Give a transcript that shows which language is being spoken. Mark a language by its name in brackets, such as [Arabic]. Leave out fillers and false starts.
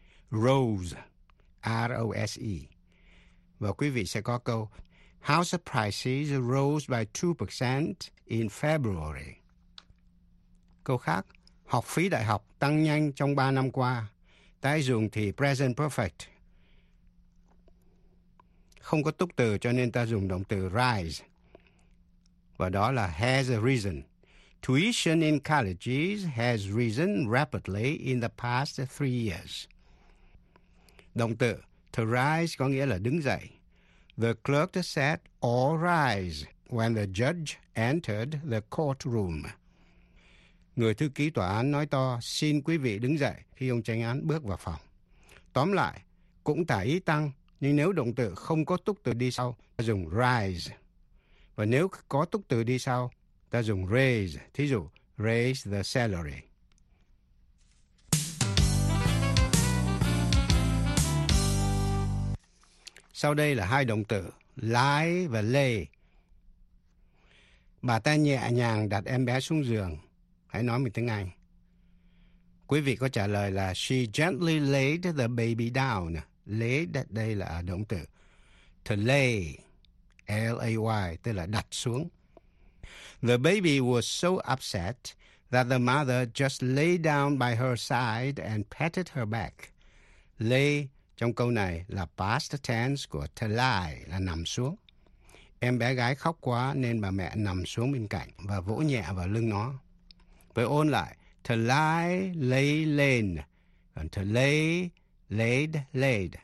[English] Rose, R-O-S-E. [Vietnamese] Và quý vị sẽ có câu, [English] House prices rose by 2% in February. [Vietnamese] Câu khác, học phí đại học tăng nhanh trong 3 năm qua. Tái dùng thì present perfect. Không có túc từ cho nên ta dùng động từ rise. Và đó là has risen. [English] Tuition in colleges has risen rapidly in the past 3 years. [Vietnamese] Động từ to rise có nghĩa là đứng dậy. [English] The clerk said, all rise, when the judge entered the courtroom. [Vietnamese] Người thư ký tòa án nói to, xin quý vị đứng dậy khi ông chánh án bước vào phòng. Tóm lại, cũng tả ý tăng, nhưng nếu động từ không có túc từ đi sau, ta dùng rise. Và nếu có túc từ đi sau, ta dùng raise. Thí dụ, [English] raise the salary. [Vietnamese] Sau đây là hai động từ, lie và lay. Bà ta nhẹ nhàng đặt em bé xuống giường. Hãy nói mình tiếng Anh. Quý vị có trả lời là [English] she gently laid the baby down. [Vietnamese] Lay, đây là động từ. To lay, L-A-Y, tức là đặt xuống. [English] The baby was so upset that the mother just lay down by her side and patted her back. [Vietnamese] Lay trong câu này là past tense của to lie, là nằm xuống. Em bé gái khóc quá nên bà mẹ nằm xuống bên cạnh và vỗ nhẹ vào lưng nó. Với ôn lại, [English] to lie, lay, lain. [Vietnamese] Còn [English] to lay, laid, laid.